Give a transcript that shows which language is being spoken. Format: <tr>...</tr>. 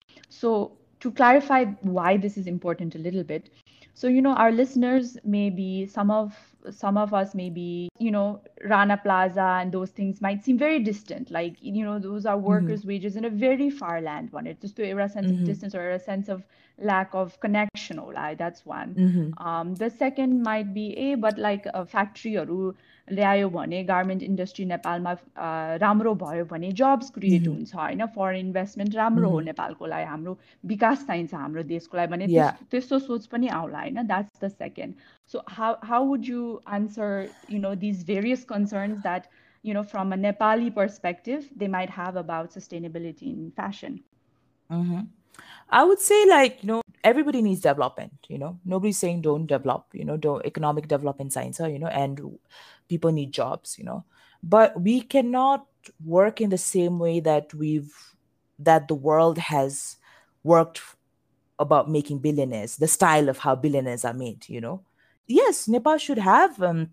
<en>So to clarify why this is important a little bit, so our listeners may be some of us may be Rana Plaza and those things might seem very distant, like those are workers' wages in a very far land one. It's just a sense of distance or a sense of lack of connection,</en> <ne>Olai,</ne> <en>that's one. The second might be a but like a factory or</en> <ne>ल्यायो भने garment industry नेपालमा राम्रो भयो भने jobs create हुन्छ होइन foreign investment राम्रो हो नेपालको लागि हाम्रो विकास चाहिन्छ हाम्रो देशको लागि भने त्यस्तो सोच पनि आउला होइन</ne> <en>that's the second so how would you answer these various concerns that from a Nepali perspective they might have about sustainability in fashion I would say, like, everybody needs development, Nobody's saying don't develop, don't economic development science, and people need jobs, But we cannot work in the same way that that the world has worked about making billionaires, the style of how billionaires are made, Yes, Nepal should have</en>